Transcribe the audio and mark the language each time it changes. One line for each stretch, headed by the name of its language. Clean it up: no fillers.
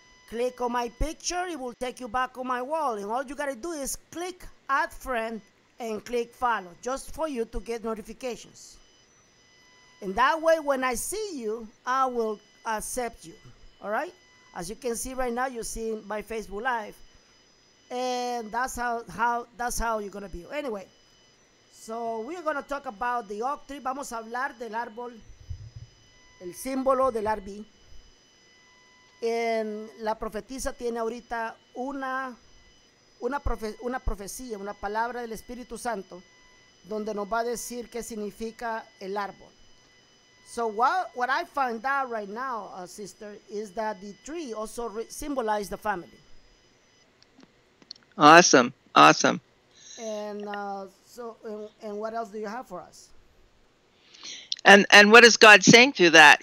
English: Click on my picture, it will take you back on my wall. And all you got to do is click add friend and click follow, just for you to get notifications. And that way, when I see you, I will accept you, all right? As you can see right now, you're seeing my Facebook Live. And that's how you're going to be. Anyway, so we're going to talk about the oak tree.
Spanish: Vamos a hablar del árbol, el símbolo del arbi. En la profetisa tiene ahorita una profecía, una palabra del Espíritu Santo, donde nos va a decir qué significa el árbol.
English: So what I find out right now, sister, is that the tree also symbolizes the family. Awesome. And what else do you have for us? And what is God saying through that?